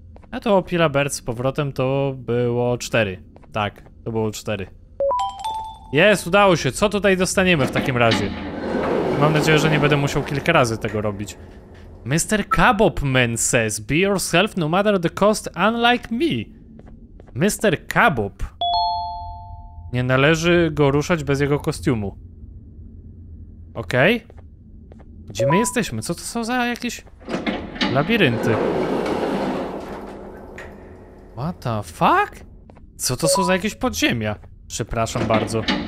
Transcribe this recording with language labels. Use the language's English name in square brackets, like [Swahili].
[Polish] A to Opila Bird z powrotem to było 4. Tak, to było 4. Jest, udało się. Co tutaj dostaniemy w takim razie? Mam nadzieję, że nie będę musiał kilka razy tego robić. [English] Mr. Kabobman says, be yourself no matter the cost, unlike me. Mr. Kabob. [Polish] Nie należy go ruszać bez jego kostiumu. Okej. Gdzie my jesteśmy? Co to są za jakieś labirynty? [English] What the fuck? [Polish] Co to są za jakieś podziemia? Przepraszam bardzo.